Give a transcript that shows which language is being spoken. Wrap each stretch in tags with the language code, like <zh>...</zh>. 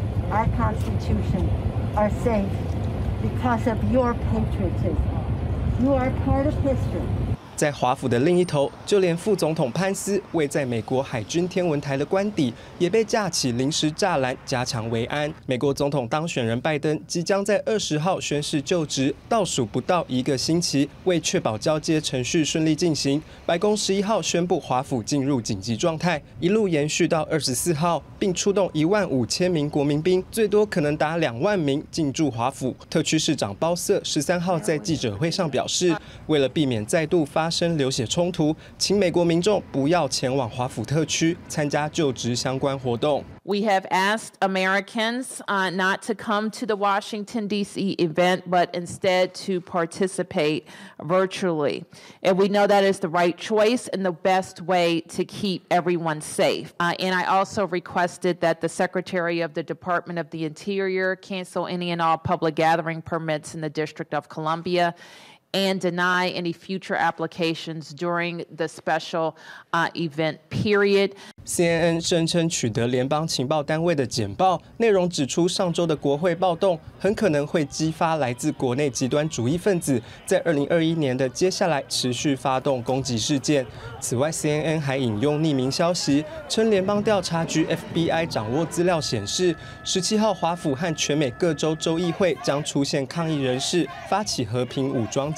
<en>Our Constitution are safe because of your patriotism. You are part of history.</en> <zh>在华府的另一头，就连副总统潘斯位在美国海军天文台的官邸，也被架起临时栅栏加强维安。美国总统当选人拜登即将在20号宣誓就职，倒数不到一个星期，为确保交接程序顺利进行，白宫11号宣布华府进入紧急状态，一路延续到24号，并出动15,000名国民兵，最多可能达20,000名进驻华府。特区市长鲍瑟13号在记者会上表示，为了避免再度发生流血冲突，请美国民众不要前往华府特区参加就职相关活动。</zh> <en>We have asked Americans not to come to the Washington D.C. event, but instead to participate virtually. And we know that is the right choice and the best way to keep everyone safe. And I also requested that the Secretary of the Department of the Interior cancel any and all public gathering permits in the District of Columbia. And deny any future applications during the special event period.</en> <zh>CNN 声称取得联邦情报单位的简报，内容指出上周的国会暴动很可能会激发来自国内极端主义分子，在2021年的接下来持续发动攻击事件。此外 ，CNN 还引用匿名消息称，联邦调查局 FBI 掌握资料显示，17号华府和全美各州州议会将出现抗议人士发起和平武装。</zh>